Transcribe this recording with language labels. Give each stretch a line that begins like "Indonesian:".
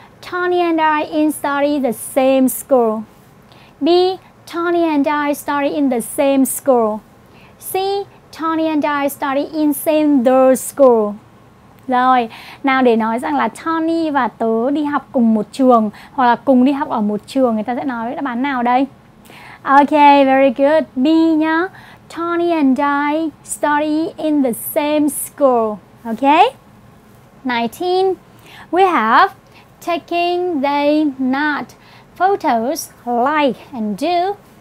English: Tony and I in study the same school. B. Tony and I study in the same school. C. Tony and I study in same the school.
Vietnamese: Rồi, nào để nói rằng là Tony và tớ đi học cùng một trường hoặc là cùng đi học ở một trường, người ta sẽ nói đáp án nào đây?
English: Ok, very good. B nhá. Tony and I study in the same school. Ok. 19. We have taking they not photos like and do.